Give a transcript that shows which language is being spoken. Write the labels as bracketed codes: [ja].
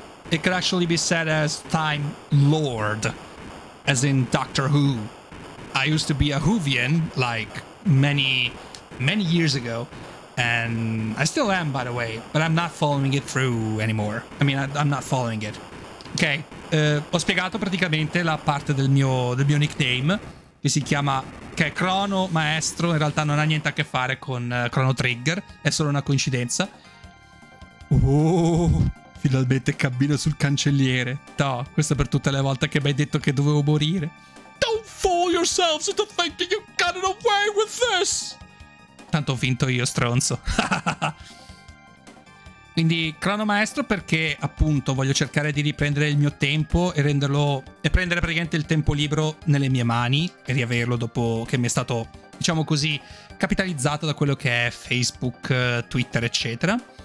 [en] It could actually be said as Time Lord, as in Doctor Who. I used to be a Whovian, like, many, many years ago. And I still am, by the way, but I'm not following it through anymore. I mean, I'm not following it. [it] Ok, ho spiegato praticamente la parte del mio nickname, che si chiama, che è Crono Maestro. In realtà non ha niente a che fare con Chrono Trigger, è solo una coincidenza. Oh, finalmente cammino sul cancelliere. No, questo è per tutte le volte che mi hai detto che dovevo morire. [en] Don't fool yourselves into thinking you got it away with this! [it] Tanto ho vinto io, stronzo. Quindi Crono Maestro perché appunto voglio cercare di riprendere il mio tempo e renderlo, e prendere praticamente il tempo libero nelle mie mani e riaverlo dopo che mi è stato, diciamo così, capitalizzato da quello che è Facebook, Twitter, eccetera.